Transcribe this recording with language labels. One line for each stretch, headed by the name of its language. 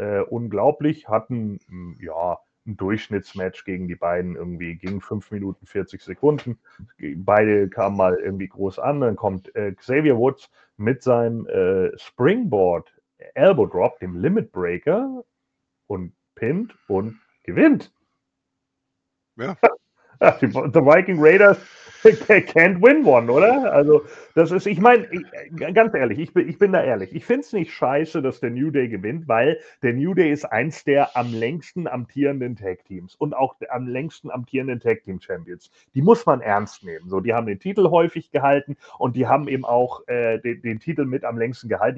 German: Unglaublich, hatten ja ein Durchschnittsmatch gegen die beiden, irgendwie ging 5 Minuten 40 Sekunden, beide kamen mal irgendwie groß an, dann kommt Xavier Woods mit seinem Springboard Elbow Drop, dem Limit Breaker, und pinnt und gewinnt. Ja.
English: The Viking Raiders can't win one,
German: oder? Also, das ist, ich meine, ganz ehrlich, ich bin da ehrlich. Ich finde es nicht scheiße, dass der New Day gewinnt, weil der New Day ist eins der am längsten amtierenden Tag-Teams und auch der am längsten amtierenden Tag-Team-Champions. Die muss man ernst nehmen. So, die haben den Titel häufig gehalten und die haben eben auch den Titel mit am längsten gehalten.